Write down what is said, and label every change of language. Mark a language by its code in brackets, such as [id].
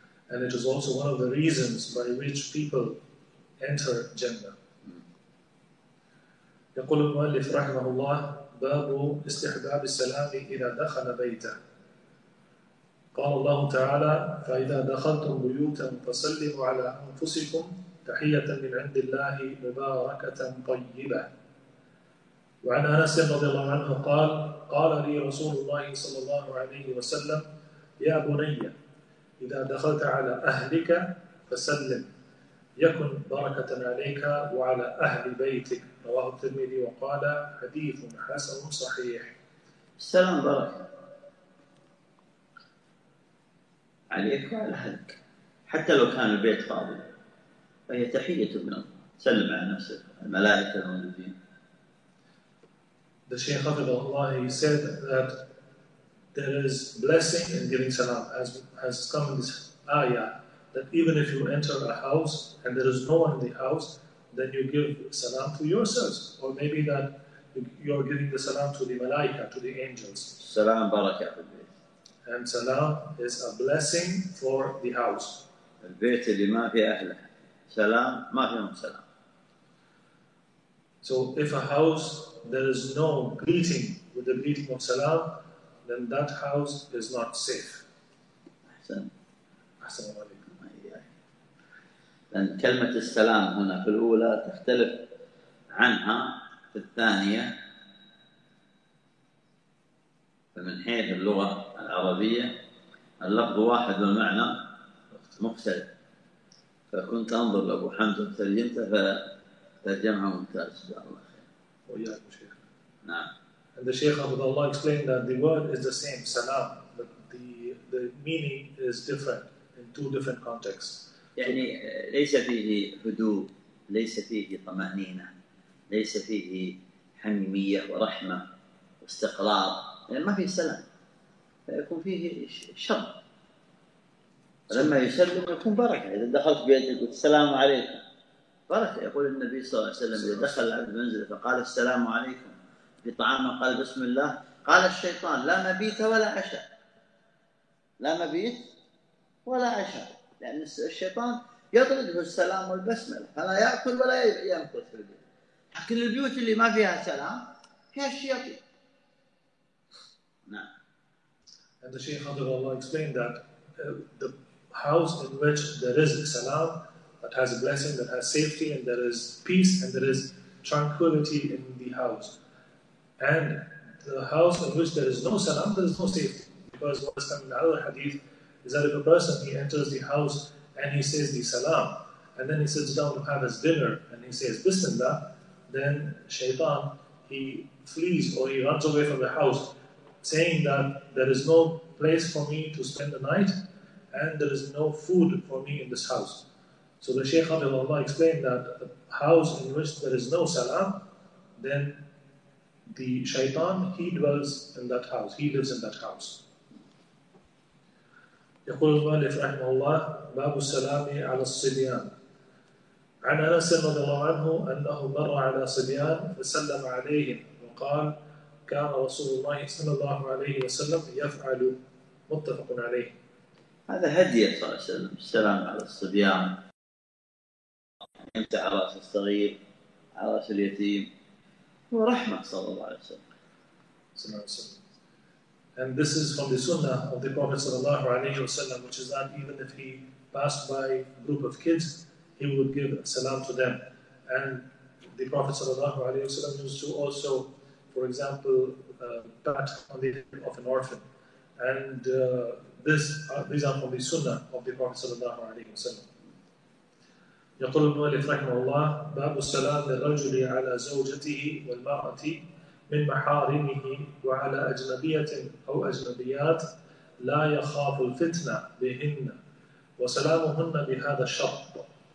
[en] And it is also one of the reasons by which people enter Jannah. [ar] يقول المؤلف رحمه الله باب استحباب السلام إذا دخل بيته. قال الله تعالى فإذا دخلتم بيوتا فسلموا على أنفسكم تحية من عند الله مباركة طيبة. وعن أنس رضي الله عنه قال قال لي رسول الله صلى الله عليه وسلم يا بني إذا دخلت على أهلك فسلم يكن بركة عليك وعلى أهل بيتك. رواه الترمذي وقال حديث حسن صحيح. السلام بركة عليك وعلى أهلك حتى لو كان البيت فاضي فهي تحية من الله سلم على نفسك الملائكة الموجودين. [en] The Shaykh of Allah he said that there is blessing in giving salam as has come in this ayah that even if you enter a house and there is no one in the house then you give salam to yourselves or maybe that you are giving the salam to the malaika to the angels. [ar] Salam barakah fi al-bayt. [en] And salam is a blessing for the house. [ar] البيت اللي ما في أهله سلام ما فيهم سلام. So if a house there is no greeting with the greeting of salam, then that house is not safe. أحسن. أحسن عليكم. لأن كلمة السلام هنا في الأولى تختلف عنها في الثانية. فمن حيث اللغة العربية اللفظ واحد والمعنى مختلف فكنت أنظر لأبو حمزة ترجمته فترجمها ممتاز جزاك الله خير. وياك يا شيخ. نعم. [en] And the Shaykh of Allah explained that the word is the same, salam, but the meaning is different in two different contexts. [ar] يعني ليس فيه هدوء، ليس فيه طمأنينة، ليس فيه حميمية ورحمة واستقرار، لأن ما في سلام. فيكون فيه شر. لما يسلم يكون بركة، إذا دخلت بيته يقول السلام عليكم. بركة، يقول النبي صلى الله عليه وسلم إذا دخل العبد منزله فقال السلام عليكم. في طعامه قال بسم الله، قال الشيطان لا مبيت ولا عشاء. لا مبيت ولا عشاء، لأن الشيطان يطرده السلام والبسملة، فلا يأكل ولا يمكث في البيت. لكن البيوت اللي ما فيها سلام هي الشياطين. نعم. [en] And the Shaykh Hadith Allah explained that the house in which there is salam, that has a blessing, that has safety, and there is peace, and there is tranquility in the house. And the house in which there is no salam, there is no safety. Because what is coming out of the hadith is that if a person, he enters the house and he says the salam, and then he sits down to have his dinner and he says bismillah, then shaitan, he flees or he runs away from the house saying that there is no place for me to spend the night and there is no food for me in this house. So the Shaykh of Allah explained that a house in which there is no salam, then the shaitan, he dwells in that house, he lives in that house. [ar] يقول المؤلف رحمه الله باب السلام على الصبيان. عن أنس رضي الله عنه أنه مر على صبيان فسلم عليهم وقال كان رسول الله صلى الله عليه وسلم يفعل. متفق عليه. هذا هدية صلى الله عليه وسلم، السلام على الصبيان، يمسح على رأس الصغير، على رأس اليتيم، هو رحمة صلى الله عليه وسلم. صلى الله عليه وسلم. [en] And this is from the Sunnah of the Prophet sallallahu alaihi wasallam, which is that even if he passed by a group of kids, he would give salam to them. And the Prophet sallallahu alaihi wasallam used to also, for example, pat on the head of an orphan. And these are from the Sunnah of the Prophet sallallahu alaihi wasallam. [ar] يقول المؤلف رحمه الله باب السلام للرجل على زوجته والمرأة من محارمه وعلى أجنبية أو أجنبيات لا يخاف الفتنة بهن وسلامهن بهذا الشرط.